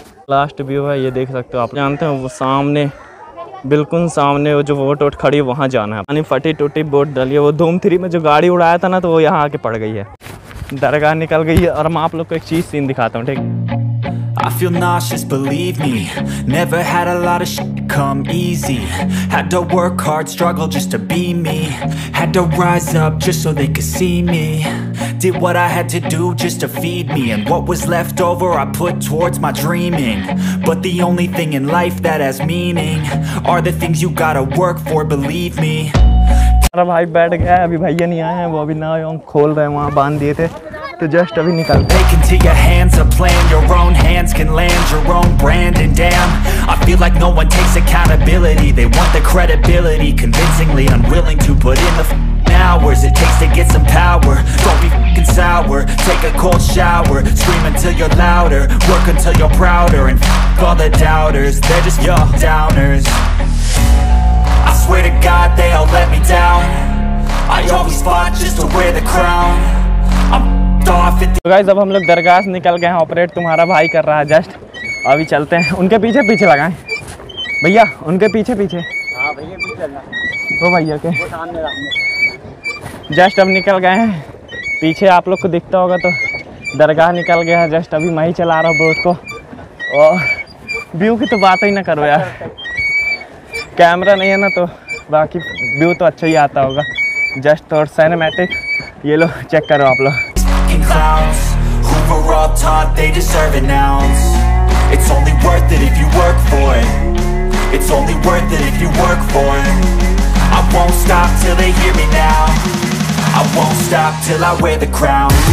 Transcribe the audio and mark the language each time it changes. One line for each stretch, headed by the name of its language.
Hindi: Last view है ये, देख सकते हो आप, जानते हो वो सामने, बिल्कुल सामने वो जो बोट वोट खड़ी है वहाँ जाना है, यानी फटी टूटी बोट डाली है। वो धूम थ्री में जो गाड़ी उड़ाया था ना, तो वो यहाँ आके पड़ गई है, दरगाह निकल गई है। और मैं आप लोग को एक चीज सीन दिखाता हूँ, ठीक।
English: I feel nauseous, believe me. Never had a lot of shit come easy. Had to work hard, struggle just to be me. Had to rise up just so they could see me. Did what I had to do just to feed me. And what was left over I put towards my dreaming. But the only thing in life that has meaning are the things you gotta work for, believe me.
Hindi: अरे भाई बैठ गया, अभी भैया नहीं आए हैं, वो अभी ना आए, हम खोल रहे हैं, वहाँ बांध दिए थे, तो जस्ट अभी निकल।
English: Take into your hands a plan, your own hands can land your own brand, and damn, I feel like no one takes accountability. They want the credibility, convincingly unwilling to put in the hours it takes to get some power. Don't be f***ing sour, take a cold shower, scream until you're louder, work until you're prouder, and f*** all the doubters, they're just your downers. I swear to God they all let me down. I always fought just to wear the crown.
Hindi: I'm guys अब हम लोग दरगाह से निकल गए हैं, operate तुम्हारा भाई कर रहा है, जस्ट अभी चलते हैं। उनके पीछे पीछे लगाए भैया, उनके पीछे पीछे, हाँ भैया के जस्ट अब निकल गए हैं। पीछे आप लोग को दिखता होगा तो दरगाह निकल गया है, जस्ट अभी मैं ही चला रहा हूँ बोट को। और व्यू की तो बात ही ना करो यार, कैमरा नहीं है ना, तो बाकी व्यू तो अच्छा ही आता होगा, जस्ट और सिनेमैटिक ये लो चेक करो आप लोग।
English: Clowns, Hoover up top, they deserve an ounce. It's only worth it if you work for it. It's only worth it if you work for it. I won't stop till they hear me now. I won't stop till I wear the crown.